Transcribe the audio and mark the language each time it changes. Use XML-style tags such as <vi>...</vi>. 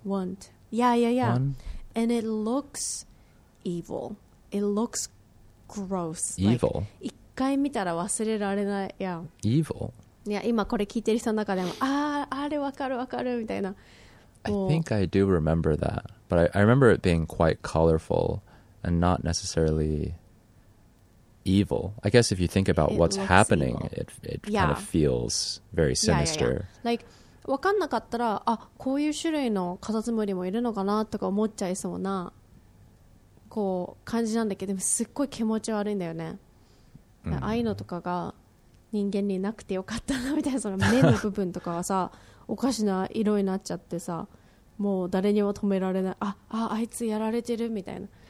<en>one? Yeah, yeah, yeah. And it looks evil. It looks gross. Evil.</en> <ja>一回見たら忘れられない。Yeah.</ja> <en>Evil.</en> <ja>いや、今これ聞いてる人の中でも、ああ、あれわかるわかるみたいな。</ja> <en>I think I do remember that. But I remember it being quite colorful and not necessarily evil. I guess if you think about what's happening, it kind of feels very sinister.</en> <ja>Like, わかんなかったら、あ、こういう種類のカタツムリもいるのかなとか思っちゃいそうな、こう、感じなんだけど、でもすっごい気持ち悪いんだよね。ああいうのとかが人間になくてよかったなみたいな、その目の部分とかはさ、おかしな色になっちゃってさ、もう誰にも止められない、あいつやられてるみたいな、</ja>